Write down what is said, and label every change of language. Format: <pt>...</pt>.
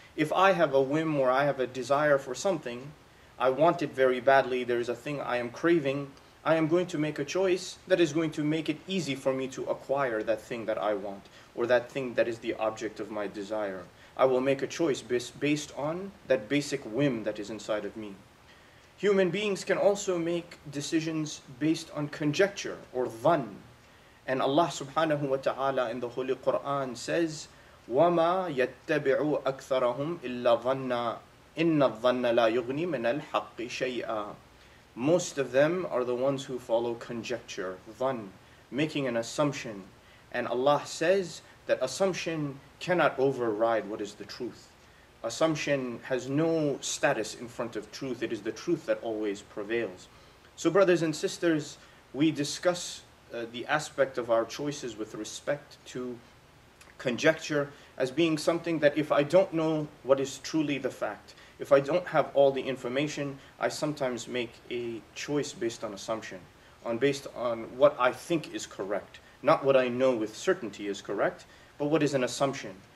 <en>If I have a whim or I have a desire for something, I want it very badly, there is a thing I am craving, I am going to make a choice that is going to make it easy for me to acquire that thing that I want or that thing that is the object of my desire. I will make a choice based on that basic whim that is inside of me. Human beings can also make decisions based on conjecture or dhan. And Allah subhanahu wa ta'ala in the Holy Quran says,</en> <ar>وَمَا يَتَّبِعُ أَكْثَرَهُمْ إِلَّا ظَنَّا إِنَّ الظَّنَّ لَا يُغْنِي مِنَ الْحَقِّ شَيْئًا.</ar> <en>Most of them are the ones who follow conjecture, dhan, making an assumption. And Allah says that assumption cannot override what is the truth. Assumption has no status in front of truth. It is the truth that always prevails. So brothers and sisters, we discuss the aspect of our choices with respect to conjecture as being something that if I don't know what is truly the fact, if I don't have all the information, I sometimes make a choice based on assumption, based on what I think is correct, not what I know with certainty is correct, but what is an assumption.</en>